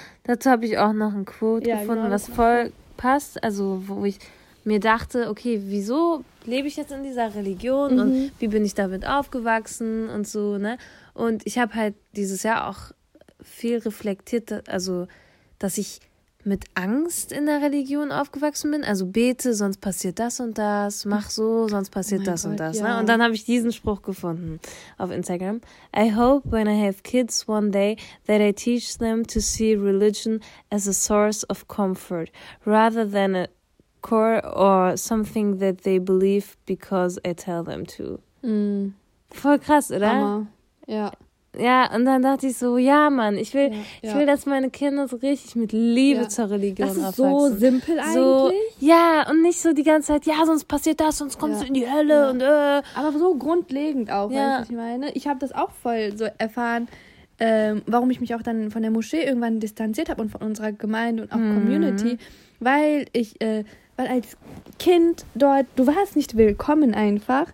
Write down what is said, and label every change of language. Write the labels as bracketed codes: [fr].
[de] Dazu habe ich auch noch ein Quote gefunden, genau, was voll passt, also wo ich mir dachte, okay, wieso lebe ich jetzt in dieser Religion und wie bin ich damit aufgewachsen und so, ne? Und ich habe halt dieses Jahr auch viel reflektiert, also, dass ich mit Angst in der Religion aufgewachsen bin. Also bete, sonst passiert das und das. Mach so, sonst passiert das und das. Ja. Ne? Und dann habe ich diesen Spruch gefunden auf Instagram. [en] I hope when I have kids one day that I teach them to see religion as a source of comfort rather than a core or something that they believe because I tell them to. Mm. [de] Voll krass, oder? Hammer. Ja. Ja, und dann dachte ich so, Mann, ich will, dass meine Kinder so richtig mit Liebe zur Religion aufwachsen. Das ist so simpel eigentlich. So, ja, und nicht so die ganze Zeit, sonst passiert das, sonst kommst du in die Hölle und Aber so grundlegend auch, weißt du, was ich meine? Ich habe das auch voll so erfahren, warum ich mich auch dann von der Moschee irgendwann distanziert habe und von unserer Gemeinde und auch Community, weil ich, weil als Kind dort, du warst nicht willkommen einfach.